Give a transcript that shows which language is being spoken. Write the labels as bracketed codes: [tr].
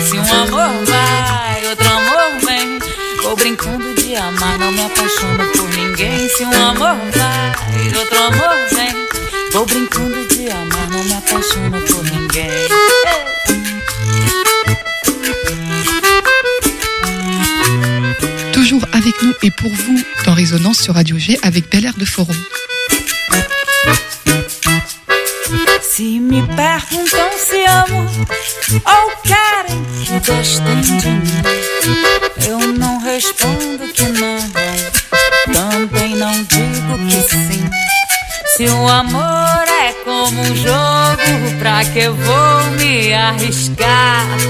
[pt] Se um amor vai e outro amor vem, vou brincando de amar, não me apaixono por ninguém. Se um amor vai e outro amor vem, vou brincando de amar, não me apaixono por ninguém. [fr] Avec nous et pour vous, dans Résonance sur Radio G avec Bel Air de Foron. [pt] Si me perguntam se amo ou querem que gostem de mim, eu não respondo que não, também não digo que sim. Se o amor é como um jogo, pra que eu vou me arriscar?